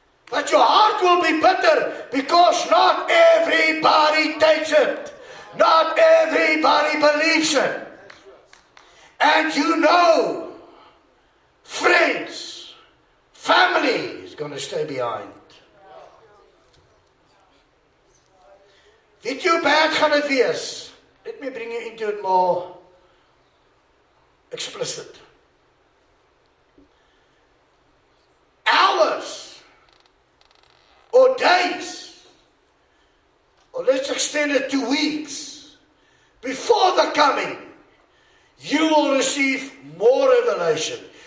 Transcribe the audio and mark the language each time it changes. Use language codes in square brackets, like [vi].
[en] But your heart will be bitter because not everybody takes it. Not everybody believes it. And you know, friends, family is going to stay behind. [af] Weet jy hoe bad gaan het wees? [en] Let me bring you into it more explicit. Hours or days or let's extend it to weeks before the coming you will receive more revelation.